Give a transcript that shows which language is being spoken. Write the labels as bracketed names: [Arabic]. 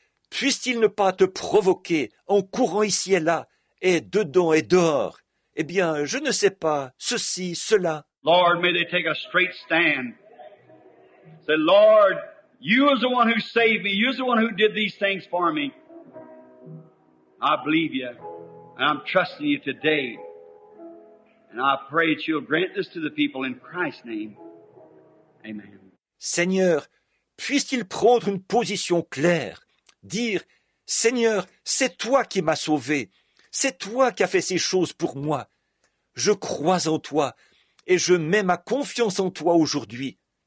[French] Puisse-t-il ne pas te provoquer en courant ici et là, et dedans et dehors? Eh bien, je ne sais pas, ceci, cela. [English] Lord, may they take a straight stand. Say, Lord, you are the one who saved me. You are the one who did these things for me. I believe you, and I'm trusting you today. And I pray that you'll grant this to the people in Christ's name. Amen. [French] Seigneur, puisse-t-il prendre une position claire, dire, Seigneur, c'est toi qui m'as sauvé, c'est toi qui as fait ces choses pour moi. Je crois en toi et je mets ma confiance en toi aujourd'hui.